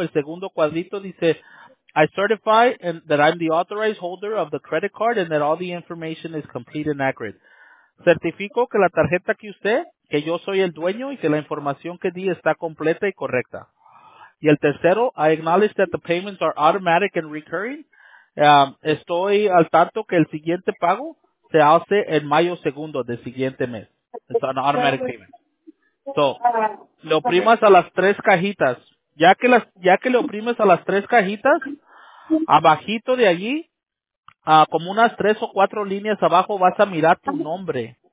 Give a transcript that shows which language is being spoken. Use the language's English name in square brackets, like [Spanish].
[Spanish] El segundo cuadrito dice, [English] I certify that I'm the authorized holder of the credit card and that all the information is complete and accurate. [Spanish] Certifico que la tarjeta que usted, que yo soy el dueño y que la información que di está completa y correcta. Y el tercero, [English] I acknowledge that the payments are automatic and recurring. [Spanish] Estoy al tanto que el siguiente pago se hace en mayo segundo del siguiente mes. [English] It's an automatic payment. So, [Spanish] le oprimas a las tres cajitas. Ya que le oprimes a las tres cajitas, abajito de allí, como unas tres o cuatro líneas abajo, vas a mirar tu nombre.